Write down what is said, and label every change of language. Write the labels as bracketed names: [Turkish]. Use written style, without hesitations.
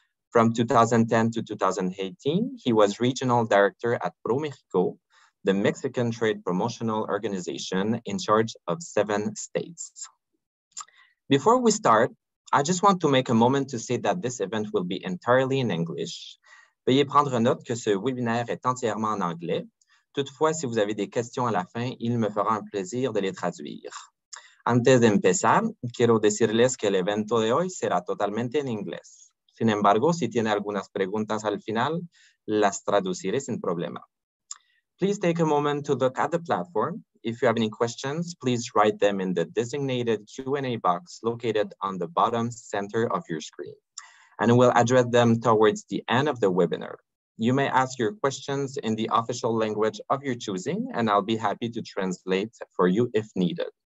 [English] From 2010 to 2018, he was Regional Director at ProMexico, the Mexican Trade Promotional Organization in charge of 7 states. Before we start, I just want to make a moment to say that this event will be entirely in English. [French] Veuillez prendre note que ce webinaire est entièrement en anglais. Toutefois, si vous avez des questions à la fin, il me fera un plaisir de les traduire. [Spanish] Antes de empezar, quiero decirles que el evento de hoy será totalmente en inglés. Sin embargo, si tiene algunas preguntas al final, las traduciré sin problema. [English] Please take a moment to look at the platform. If you have any questions, please write them in the designated Q&A box located on the bottom center of your screen, and we'll address them towards the end of the webinar. You may ask your questions in the official language of your choosing, and I'll be happy to translate for you if needed.